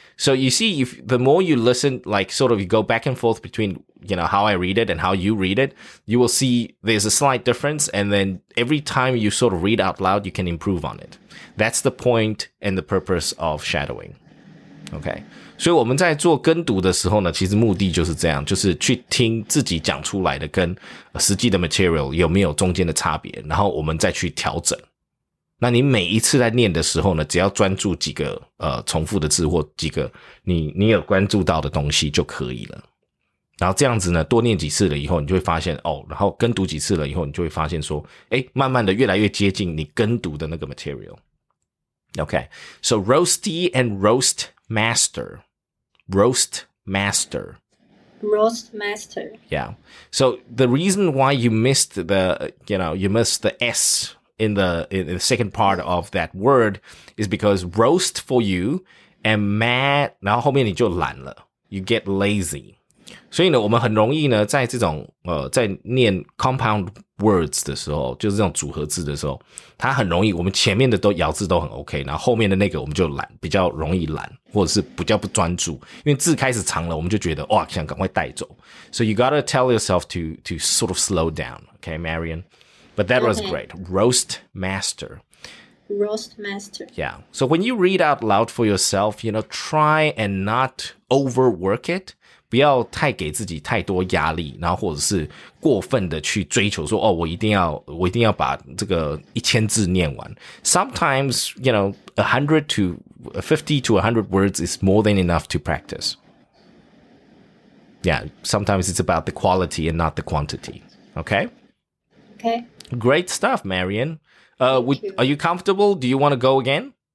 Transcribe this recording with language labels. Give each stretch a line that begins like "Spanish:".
English: So you see, if the more you listen, like sort of you go back and forth between, you know, how I read it and how you read it, you will see there's a slight difference. And then every time you sort of read out loud, you can improve on it. That's the point and the purpose of shadowing. Okay.
Chinese: 所以我们在做跟读的时候呢，其实目的就是这样，就是去听自己讲出来的跟实际的 material 有没有中间的差别，然后我们再去调整。那你每一次在念的时候呢，只要专注几个重复的字或几个你有关注到的东西就可以了。然后这样子呢，多念几次了以后，你就会发现哦，然后跟读几次了以后，你就会发现说，哎，慢慢的越来越接近你跟读的那个 material。
English: Okay, so roasty and roast master, roast master, roast master. Yeah. So the reason why you missed the, you know, you missed the S in the second part of that word is because roast for you and mad,
Chinese: 然后后面你就懒了,
English: you get lazy.
Chinese: 所以呢，我们很容易呢，在这种在念 compound words 的时候，就是这种组合字的时候，它很容易，我们前面的都咬字都很 OK， 然后后面的那个我们就懒，比较容易懒，或者是比较不专注，因为字开始长了，我们就觉得哇，想赶快带走。
English: So you gotta tell yourself to sort of slow down, okay, Marion? But that was great, roast master. Roast master. Yeah. So when you read out loud for yourself, you know, try and not overwork it.
Chinese: 不要太给自己太多压力，然后或者是过分的去追求说，哦，我一定要把这个一千字念完。
English: Sometimes, you know, 50 to 100 words is more than enough to practice. Yeah, sometimes it's about the quality and not the quantity. Okay? Okay. Great stuff, Marion. Are you comfortable? Do you want to go again?